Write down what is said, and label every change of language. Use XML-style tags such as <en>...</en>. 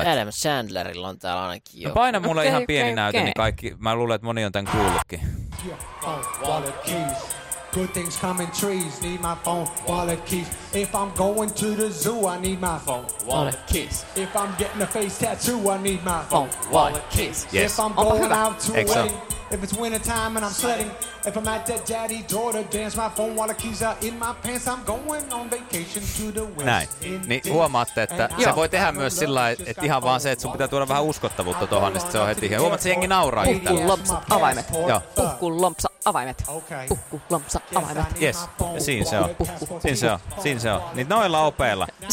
<fi>että Adam Sandlerilla on täällä ainakin joku. No paina mulle ihan pieni näyte, niin kaikki, mä luulen, että moni on tän kuullutkin.</fi> <en>Good things come in trees, need my phone, wallet, keys. If I'm going to the zoo, I need my phone, wallet, keys. If I'm getting a face tattoo, I need my phone, wallet, keys. Yes. If I'm going out to a wedding, if it's winter time and I'm sledding, if I'm at that daddy daughter dance, my phone, wallet, keys are in my pants, I'm going on vacation to the west.</en> <fi>Näin. Niin huomaatte, että se voi tehdä myös sillä lailla, että ihan vaan se, että sun pitää tuoda vähän uskottavuutta tuohon, niin se on heti ihan. Huomaatte, se jengi nauraa. Puhkuu lompsa avaimet. Joo. Puhkuu lompsa avaimet. Okay. Puhku, lomsa, avaimet. Yes, siinä se on. Puhku. Siinä se on, siinä se on. Niin noilla opeilla.</fi>